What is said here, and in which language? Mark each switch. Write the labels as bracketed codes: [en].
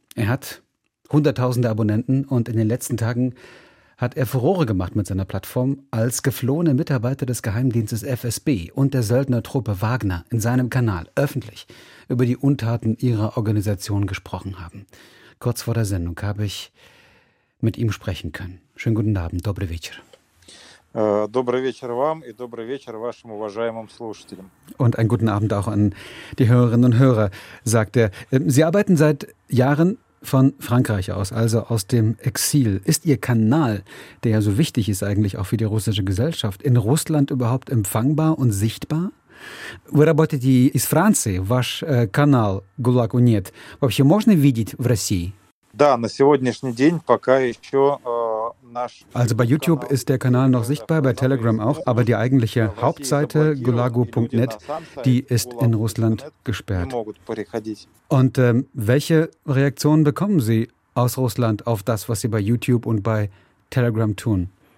[de] Er hat hunderttausende Abonnenten und in den letzten Tagen hat er Furore gemacht mit seiner Plattform als geflohene Mitarbeiter des Geheimdienstes FSB und der Söldnertruppe Wagner in seinem Kanal öffentlich über die Untaten ihrer Organisation gesprochen haben. Kurz vor der Sendung habe ich mit ihm sprechen können. Schönen guten Abend, [ru] dobry večer. Добрый вечер вам и добрый вечер вашим уважаемым слушателям. [de] Und einen guten Abend auch an die Hörerinnen und Hörer, sagt er. Sie arbeiten seit Jahren von Frankreich aus, also aus dem Exil. Ist Ihr Kanal, der ja so wichtig ist eigentlich auch für die russische Gesellschaft, in Russland überhaupt empfangbar und sichtbar? [ru] Вы работаете из Франции, ваш канал «Гулаг Унет» вообще можно видеть в России? Да, на сегодняшний день пока еще... [de] Also bei YouTube ist der Kanal noch sichtbar, bei Telegram auch, aber die eigentliche Hauptseite gulagu.net, die ist in Russland gesperrt. Und welche Reaktionen bekommen Sie aus Russland auf das, was Sie bei YouTube und bei Telegram tun?